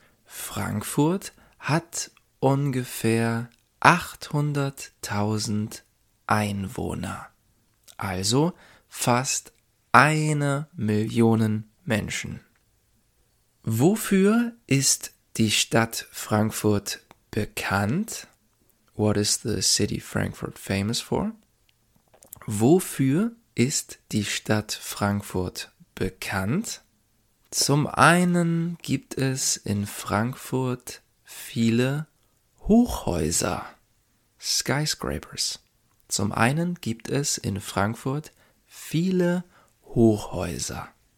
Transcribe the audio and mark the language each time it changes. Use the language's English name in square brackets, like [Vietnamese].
[German] Frankfurt hat ungefähr 800.000 Einwohner, also fast 1 Million Menschen. Wofür ist die Stadt Frankfurt bekannt? [English] What is the city Frankfurt famous for? [German] Wofür ist die Stadt Frankfurt bekannt? Zum einen gibt es in Frankfurt viele Hochhäuser, Skyscrapers. Zum einen gibt es in Frankfurt viele Hochhäuser.